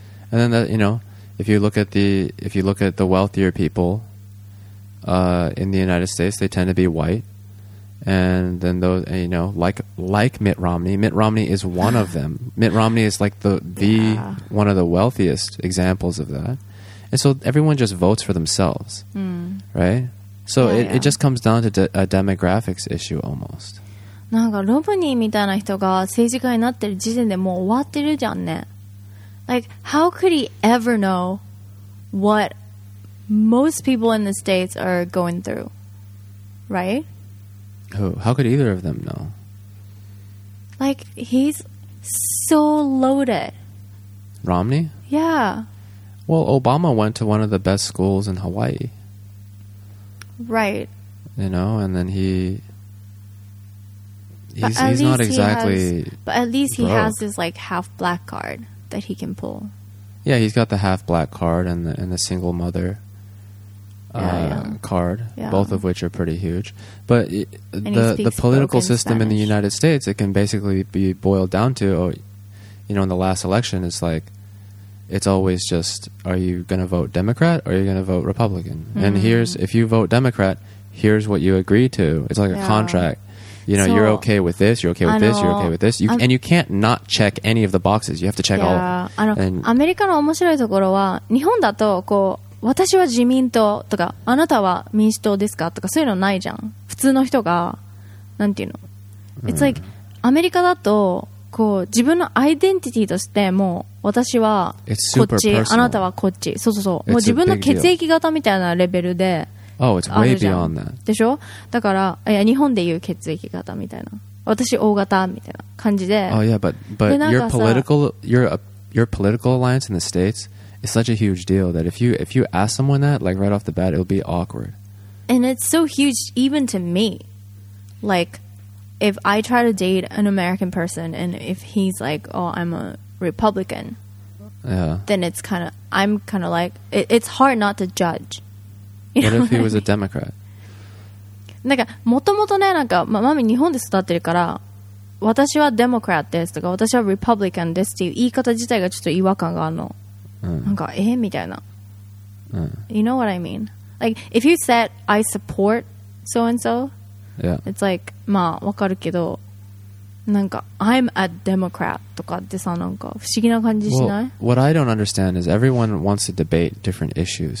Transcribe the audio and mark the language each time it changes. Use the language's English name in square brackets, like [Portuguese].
[English] And then that, you know, if you look at the wealthier people in the United States, they tend to be white. And then those, you know, like Mitt Romney. Mitt Romney is one of them. Mitt Romney is like the yeah. one of the wealthiest examples of that. And so everyone just votes for themselves, right? So yeah, it just comes down to a demographics issue almost. [Japanese] なんかロムニーみたいな人が政治家になってる時点でもう終わってるじゃんね。 [English] Like how could he ever know what most people in the States are going through, right? How could either of them know? Like, he's so loaded. Romney? Yeah. Well, Obama went to one of the best schools in Hawaii. Right. You know, and then he's not exactly But at least he has his, like, half black card that he can pull. Yeah, he's got the half black card and the single mother. Card, yeah. Both of which are pretty huge, but the political system Spanish. In the United States, it can basically be boiled down to, you know, in the last election, it's like, it's always just, are you going to vote Democrat or are you going to vote Republican? And here's, if you vote Democrat, here's what you agree to. It's like a contract. You know, so, you're okay with this, you're okay with this, you're okay with this. And you can't not check any of the boxes. You have to check all. [Japanese] America の面白いところは、日本だとこう、私は自民党とかあなたは民主党ですかとかそういうのないじゃん普通の人がなんていうの、 [English] It's like [Japanese] アメリカだとこう自分のアイデンティティとしてもう私はこっちあなたはこっちそうそうそうもう自分の血液型みたいなレベルで [English] Oh, it's way beyond that. [Japanese] でしょだからいや日本でいう血液型みたいな私 O 型みたいな感じで [English] Oh yeah, but your political alliance in the States It's such a huge deal that if you ask someone that, like right off the bat, it'll be awkward. And it's so huge even to me. Like, if I try to date an American person and if he's like, oh, I'm a Republican, yeah. then it's kind of, I'm kind of like, it's hard not to judge. You what know if what he was I mean? A Democrat? [Japanese] なんか、もともとね、なんか、マミ日本で育ってるから、私はデモクラットですとか、私はリパブリカンですっていう言い方自体がちょっと違和感があるの。 [English] You know what I mean? Like, if you said, I support so-and-so, yeah. it's like, [Japanese] まあ、わかるけど、なんか、 [English] I'm a Democrat [Japanese] とかってさ、なんか、不思議な感じしない? [English] Well, what I don't understand is everyone wants to debate different issues.